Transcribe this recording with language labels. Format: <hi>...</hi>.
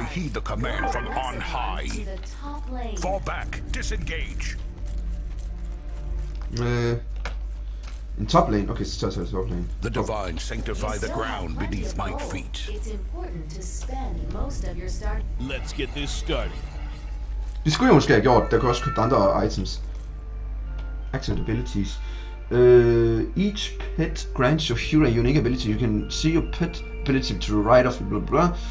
<en>I heed the command from on high. To the top lane. Fall back, disengage. In top lane, okay, so it's top lane. The divine sanctify the ground beneath my feet. It's important to spend most of your start. Let's get this started.</en> <da>Det skulle jeg måske have gjort, der kan også købe andre items.</da> <en>Accent abilities. Each pet grants your hero a unique ability. You can see your pet ability to the right of blah blah.</en>